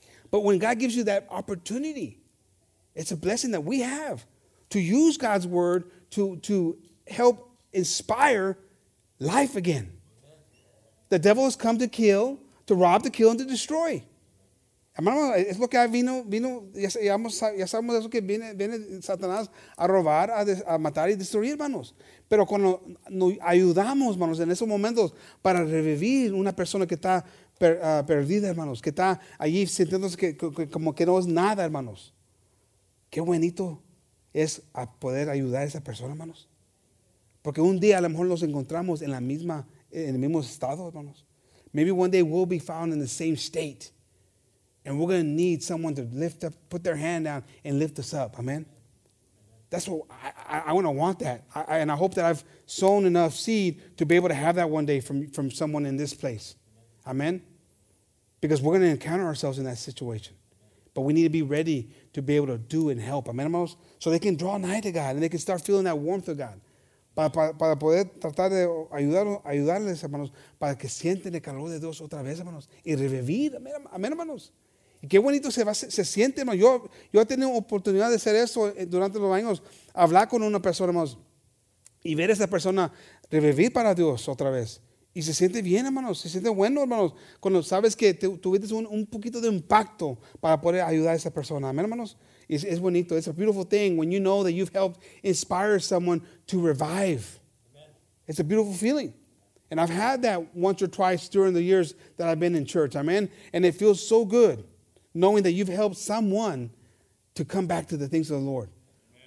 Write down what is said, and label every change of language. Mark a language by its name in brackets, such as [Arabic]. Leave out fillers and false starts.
[English] But when God gives you that opportunity, it's a blessing that we have to use God's word to help inspire life again. The devil has come to kill, to rob, to kill, and to destroy. [Spanish] Hermano, es lo que vino, ya sabemos eso que viene Satanás a robar, a matar y destruir, hermanos. Pero cuando nos ayudamos, hermanos, en esos momentos para revivir una persona que está perdida, hermanos, que está allí sintiéndose que como que no es nada, hermanos. Qué bonito es a poder ayudar a esa persona, hermanos. Porque un día a lo mejor nos encontramos en el mismo estado, hermanos. [English] Maybe one day we'll be found in the same state. And we're going to need someone to lift up, put their hand down and lift us up. Amen. That's what I want to want that. And I hope that I've sown enough seed to be able to have that one day from someone in this place. Amen. Because we're going to encounter ourselves in that situation. But we need to be ready to be able to do and help. Amen. So they can draw nigh to God and they can start feeling that warmth of God. [Spanish] Para poder tratar de ayudarles, hermanos, para que sienten el calor de Dios otra vez, hermanos, y revivir, amén, hermanos. Y qué bonito se siente, hermanos. Yo he tenido oportunidad de hacer eso durante los años, hablar con una persona, hermanos, y ver a esa persona revivir para Dios otra vez. Y se siente bien, hermanos, se siente bueno, hermanos, cuando sabes que tuviste un poquito de impacto para poder ayudar a esa persona, amén, hermanos. [English] It's bonito. It's a beautiful thing when you know that you've helped inspire someone to revive. Amen. It's a beautiful feeling. And I've had that once or twice during the years that I've been in church. Amen. And it feels so good knowing that you've helped someone to come back to the things of the Lord. Amen.